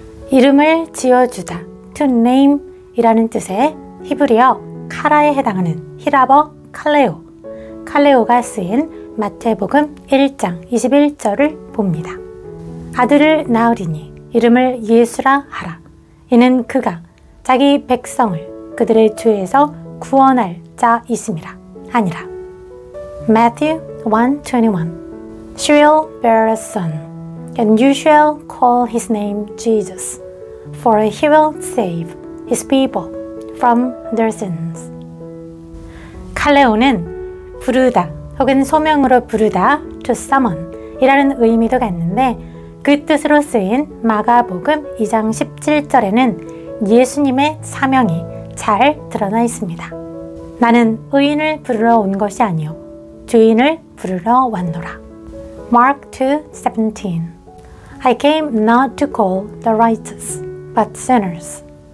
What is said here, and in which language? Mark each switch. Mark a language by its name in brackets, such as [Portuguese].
[Korean] 이름을 지어주다, [English] to name [Korean] 이라는 뜻의 히브리어 카라에 해당하는 히라버 칼레오, 칼레오가 쓰인 마태복음 1장 21절을 봅니다. 아들을 낳으리니 이름을 예수라 하라. 이는 그가 자기 백성을 그들의 죄에서 구원할 자이심이라 하니라. [English] Matthew 1:21 She will bear a son, and you shall call his name Jesus, for he will save his people from their sins. [Korean] 칼레오는 부르다 혹은 소명으로 부르다, [English] to summon [Korean] 이라는 의미도 갖는데 그 뜻으로 쓰인 마가복음 2장 17절에는 예수님의 사명이 잘 드러나 있습니다. 나는 의인을 부르러 온 것이 아니오, 죄인을 부르러 왔노라. [English] Mark 2:17 I came not to call the righteous, but sinners.